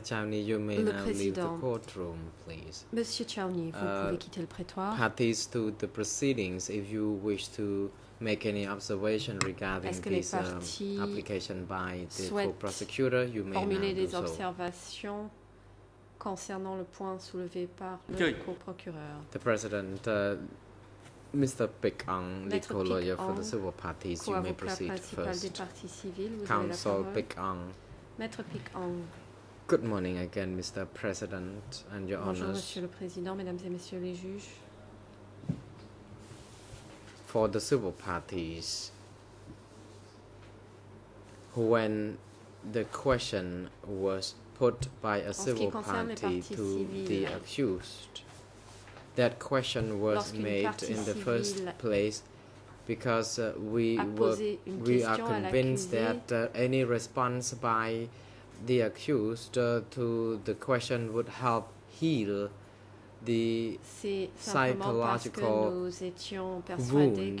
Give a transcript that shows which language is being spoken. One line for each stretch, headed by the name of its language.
English: Chowney, you may now leave the courtroom, please.
French: Monsieur Chowney, vous pouvez quitter le prétoire.
English: Parties to the proceedings, if you wish to make any observation regarding this application by the co-prosecutor, you may now do so.
French: Formuler des observations concernant le point soulevé par le co-procureur.
English: The President, Mr. Pekang, legal lawyer for the civil parties, you may proceed first. Counsel Pekang.
French: Maître Pic-Ang.
English: Good morning again, Mr. President, and your
French: Bonjour,
English: honours.
French: Monsieur le Président, Mesdames et Messieurs les Juges.
English: For the civil parties, when the question was put by a civil party to the accused, that question was made in the first place because we are convinced that any response by the accused to the question would help heal the psychological wound